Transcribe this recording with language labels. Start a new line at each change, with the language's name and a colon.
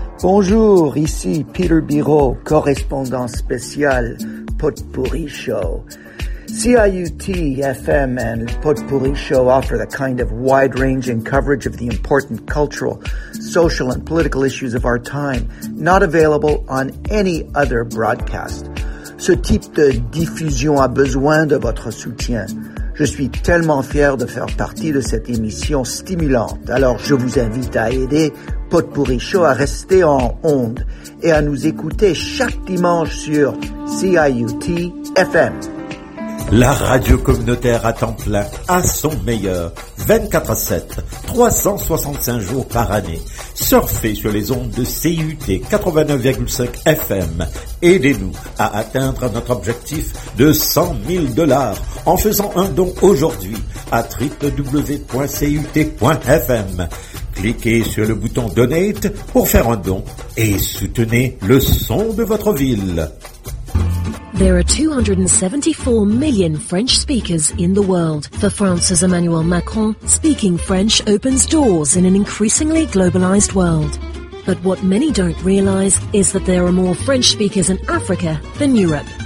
French: Bonjour, ici Peter Biro, correspondant spécial Potpourri Show.
English: CIUT FM and Potpourri Show offer the kind of wide-ranging coverage of the important cultural, social, and political issues of our time, not available on any other broadcast.
French: Ce type de diffusion a besoin de votre soutien. Je suis tellement fier de faire partie de cette émission stimulante. Alors, je vous invite à aider Potpourri Show à rester en onde et à nous écouter chaque dimanche sur CIUT FM. La radio communautaire à temps plein, à son meilleur, 24/7, 365 jours par année. Surfez sur les ondes de CUT 89,5 FM. Aidez-nous à atteindre notre objectif de 100 000 $ en faisant un don aujourd'hui à www.cut.fm. Cliquez sur le bouton « Donate » pour faire un don et soutenez le son de votre ville.
English: There are 274 million French speakers in the world. For France's Emmanuel Macron, speaking French opens doors in an increasingly globalized world. But what many don't realize is that there are more French speakers in Africa than Europe.